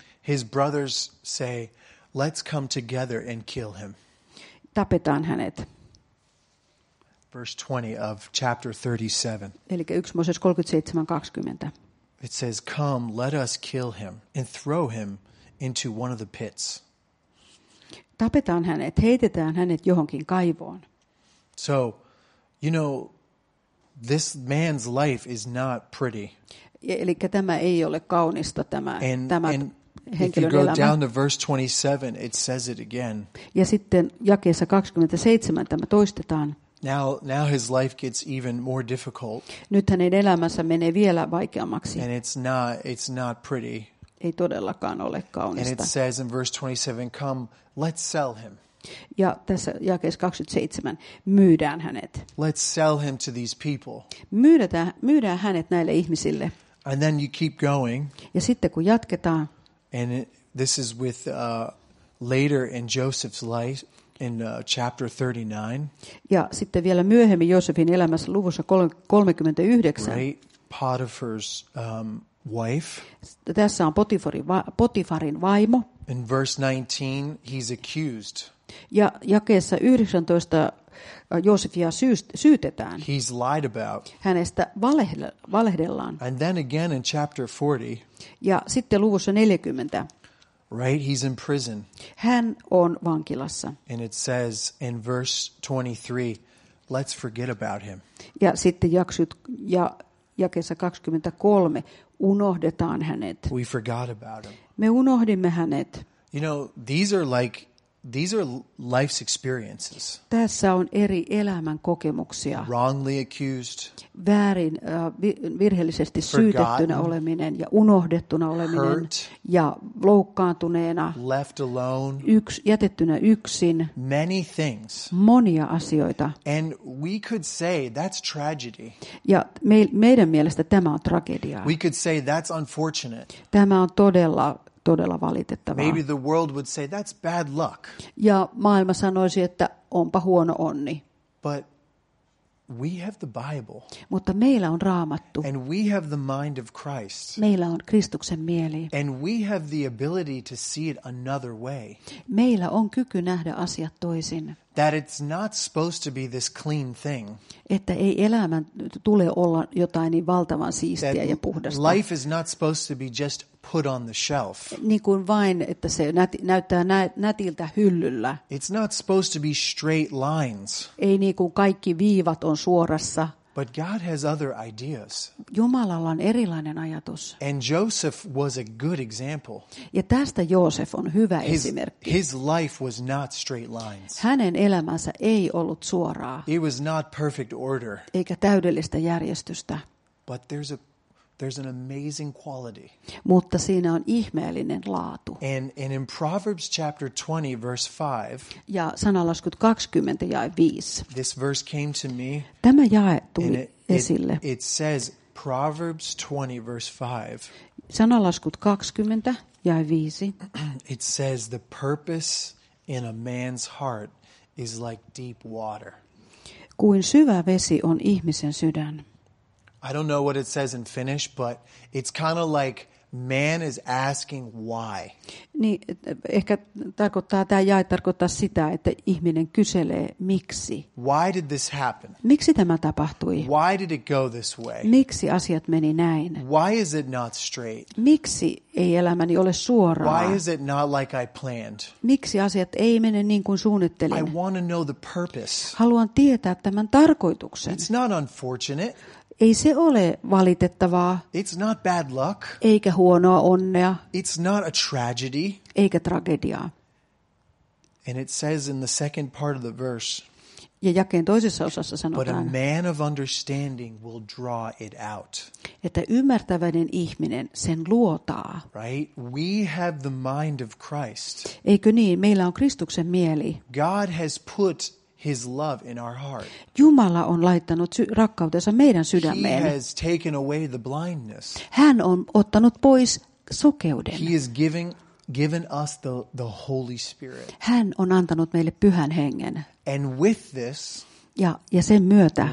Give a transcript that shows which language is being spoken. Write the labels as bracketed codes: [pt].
[en] His brothers say, "Let's come together and kill him." [fi] Tapetaan hänet. [en] Verse 20 of chapter 37. [fi] Eli 1 Mooses 37:20. [en] It says, "Come, let us kill him and throw him into one of the pits." [fi] Tapetaan hänet, heitetään hänet johonkin kaivoon. [en] So, you know, this man's life is not pretty. [fi] Eli tämä ei ole kaunista tämä henkilön [en] elämä. And if you go down to verse 27, it says it again. [fi] Ja sitten jakeessa 27 tämä toistetaan. [en] Now his life gets even more difficult. [fi] Nyt hänen elämänsä menee vielä vaikeammaksi. [en] And it's not pretty. [fi] Ei todellakaan ole kaunista. [en] And it says in verse 27, "Come, let's sell him." [fi] Ja tässä jakeessa 27 myydään hänet. [en] Let's sell him to these people. [fi] Myydään hänet näille ihmisille. [en] And then you keep going. [fi] Ja sitten kun jatketaan. [en] And this is with later in Joseph's life in chapter 39. [fi] Ja sitten vielä myöhemmin Joosefin elämässä luvussa 39. [en] Right? Potiphar's wife. [fi] Tässä on Potifarin vaimo. [en] In verse 19 he's accused. [fi] Ja jakeessa 19 Joosefia syytetään. [en] He's lied about. [fi] Hänestä valehdellaan. [en] And then again in chapter 40. [fi] Ja sitten luvussa 40. [en] Right, he's in prison. [fi] Hän on vankilassa. [en] And it says in verse 23, let's forget about him. [fi] Ja sitten jakeessa 23 unohdetaan hänet. [en] We forgot about him. [fi] Me unohdimme hänet. [en] You know, these are life's experiences. [fi] Tässä on eri elämän kokemuksia. [en] Wrongly accused. [fi] Väärin virheellisesti syytettynä oleminen ja unohdettuna oleminen ja loukkaantuneena. [en] Left alone. [fi] Jätettynä yksin. [en] Many things. [fi] Monia asioita. [en] And we could say that's tragedy. [fi] Ja meidän mielestä tämä on tragedia. [en] We could say that's unfortunate. [fi] Tämä on todella valitettavaa. [en] Maybe the world would say that's bad luck. [fi] Ja maailma sanoisi, että onpa huono onni. [en] But we have the Bible. [fi] Mutta meillä on Raamattu. [en] And we have the mind of Christ. [fi] Meillä on Kristuksen mieli. [en] And we have the ability to see it another way. [fi] Meillä on kyky nähdä asiat toisin. [en] That it's not supposed to be this clean thing. [fi] Että ei elämän tule olla jotain niin valtavan siistiä ja puhdasta. [en] Life is not supposed to be just put on the shelf. [fi] Niin kuin vain, että se näyttää nätiltä hyllyllä. [en] It's not supposed to be straight lines. [fi] Ei niin kuin kaikki viivat on suorassa. [en] But God has other ideas. [fi] Jumalalla on erilainen ajatus. [en] And Joseph was a good example. [fi] Ja tästä Joosef on hyvä esimerkki. [en] His life was not straight lines. [fi] Hänen elämänsä ei ollut suoraa. [en] It was not perfect order. [fi] Eikä täydellistä järjestystä. [en] But there's an amazing quality. [fi] Mutta siinä on ihmeellinen laatu. [en] And in Proverbs chapter 20 verse 5. [fi] Ja sanalaskut 20 jae 5. [en] This verse came to me. [fi] Tämä jae tuli esille. [en] It says Proverbs 20 verse 5. [fi] Sanalaskut 20 jae 5. [en] It says the purpose in a man's heart is like deep water. [fi] Kuin syvä vesi on ihmisen sydän. [en] I don't know what it says in Finnish, but it's kind of like man is asking why. [fi] Niin, ehkä tarkoittaa tämä jae tarkoittaa sitä, että ihminen kyselee miksi. [en] Why did this happen? [fi] Miksi tämä tapahtui? [en] Why did it go this way? [fi] Miksi asiat meni näin? [en] Why is it not straight? [fi] Miksi ei elämäni ole suoraa? [en] Why is it not like I planned? [fi] Miksi asiat ei mene niin kuin suunnittelin? [en] I want to know the purpose. [fi] Haluan tietää tämän tarkoituksen. [en] It's not unfortunate. [fi] Ei se ole valitettavaa. [en] It's not bad luck. [fi] Eikä huonoa onnea. [en] It's not a tragedy. [fi] Eikä tragediaa. [en] And it says in the second part of the verse. [fi] Ja jakeen toisessa osassa sanotaan. [en] But a man of understanding will draw it out. [fi] Että ymmärtäväinen ihminen sen luotaa. [en] Right? We have the mind of Christ. [fi] Eikö niin? Meillä on Kristuksen mieli. [en] God has put His love in our heart. [fi] Jumala on laittanut rakkautensa meidän sydämeen. [en] He has taken away the blindness. [fi] Hän on ottanut pois sokeuden. [en] He is given us the Holy Spirit. [fi] Hän on antanut meille Pyhän Hengen. [en] And with this, [fi] ja sen myötä,